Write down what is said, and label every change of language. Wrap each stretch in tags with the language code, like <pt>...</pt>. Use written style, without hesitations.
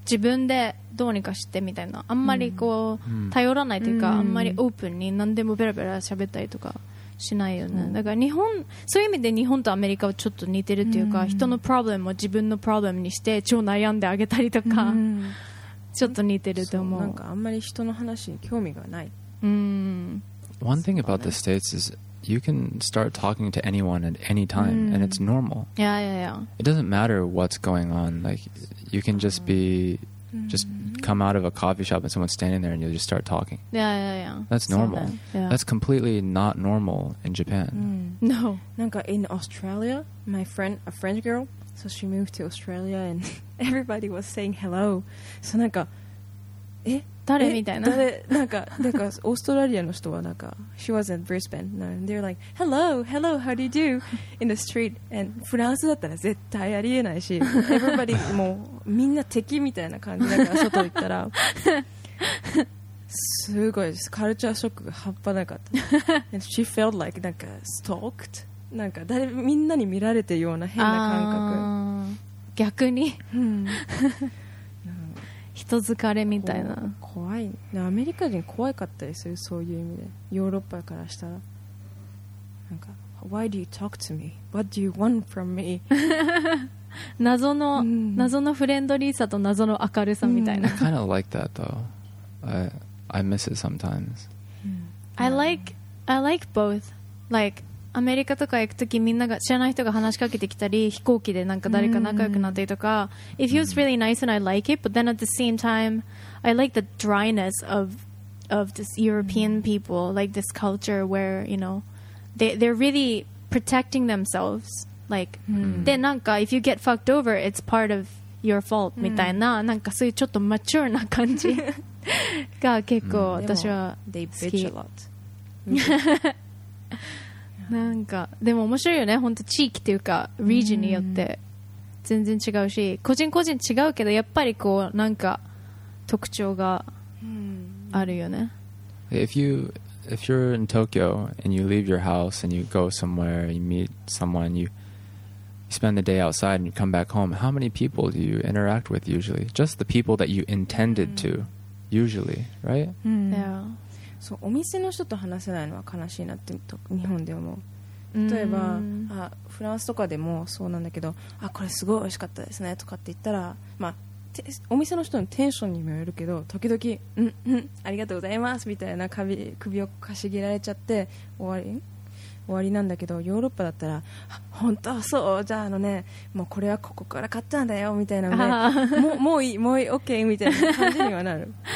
<ja>自分でどうにかしてみたいなあんまりこう、うん、頼らないというか、うん、あんまりオープンに何でもベラベラ喋ったりとかしないよねだから日本そういう意味で日本とアメリカはちょっと似てるというか、うん、人のプロブレムを自分のプロブレムにして超悩んであげたりとか、うん、ちょっと似てると思 う, うなんかあんまり人の話に興味がない、うん、</ja> <en>One thing about the States is you can start talking to anyone at any time、うん、and it's normal Yeah. It doesn't matter what's going on like you can just bebeJust come out of a coffee shop and someone's standing there and you'll just start talking. Yeah. That's normal. Yeah. That's completely not normal in Japan.、 Mm. No. なんか in Australia, my friend, a French girl, so she moved to Australia and everybody was saying hello. So なんか、え?</en> <ja>誰みたいな。なんか、なんかオーストラリアの人はなんか、</ja> <en>She was in Brisbane. No, they're like, hello, hello, how do you do? In the street.</en> <ja>And フランスだったら絶対ありえないし、everybody もうみんな敵みたいな感じだから外行ったら、すごいです。カルチャーショックが半端なかった。</ja> <en>And she felt like なんか stalked。</en> <ja>なんか誰みんなに見られてるような変な感覚。あ、逆に。人疲れみたいな。怖い、アメリカ人怖いかったりする、そういう意味で。ヨーロッパからしたらなんか</ja> <en>Why do you talk to me? What do you want from me?</en> <ja>謎の、うん、謎のフレンドリーさと謎の明るさみたいな。</ja> <en>I kind of like that though. I miss it sometimes. I like both.</en> <ja>Like アメリカとか行くときみんなが知らない人が話しかけてきたり、飛行機でなんか誰か仲良くなったりとか、mm-hmm.</ja> <en>It feels really nice and I like it, but then at the same time I like the dryness of this European people, like this culture where, you know, they're really protecting themselves, like、mm-hmm.</en> <ja>でなんか</ja> <en>if you get fucked over it's part of your fault、</en> <ja>mm-hmm. みたいな、なんかそういうちょっとマチュアな感じが結構私は好き。</ja> <en>They bitch a lot.</en> <ja>なんかでも面白いよね、本当地域っていうかリージンによって全然違うし、個人個人違うけどやっぱりこうなんか特徴があるよね。</ja> <en>If you're in Tokyo and you leave your house and you go somewhere, you meet someone, you spend the day outside and you come back home, how many people do you interact with usually? Just the people that you intended to, usually, right? Yeah.</en> <ja>そう、お店の人と話せないのは悲しいなって日本で思う。例えば、あ、フランスとかでもそうなんだけど、あ、これすごい美味しかったですねとかって言ったら、まあ、お店の人のテンションにもよるけど、時々うんうんありがとうございますみたいな首をかしげられちゃって終わりなんだけど、ヨーロッパだったら本当そう、じゃああのね、もうこれはここから買ったんだよみたいなので、もういい OK みたいな感じにはなる。</ja>